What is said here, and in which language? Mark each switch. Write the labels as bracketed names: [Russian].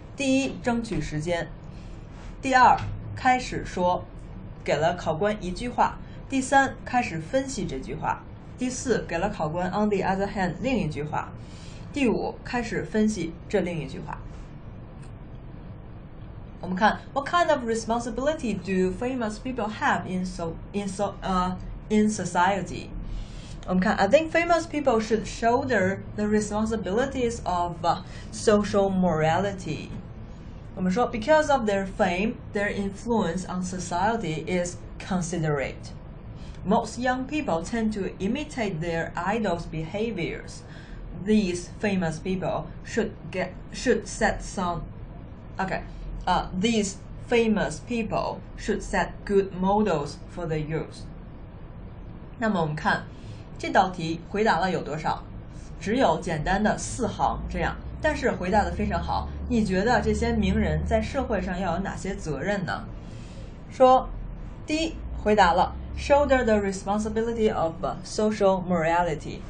[Chinese] 第一，争取时间；第二，开始说，给了考官一句话。第三，开始分析这句话。第四，给了考官 [English] on the other hand [Chinese] 另一句话。第五，开始分析这另一句话。我们看 [English] ，What kind of responsibility do famous people have in society？ [Chinese] 我们看 [English] ，I think famous people should shoulder the responsibilities of social morality。 [Chinese] 我们说 [English] ，because of their fame, their influence on society is considerate。 Most young people tend to imitate their idols' behaviors. These famous people these famous people should set good models for the youth. [Chinese] 那么我们看这道题回答了有多少？只有简单的四行这样，但是回答的非常好。你觉得这些名人在社会上要有哪些责任呢？说，第一，回答了。 [English] Shoulder the responsibility of social morality.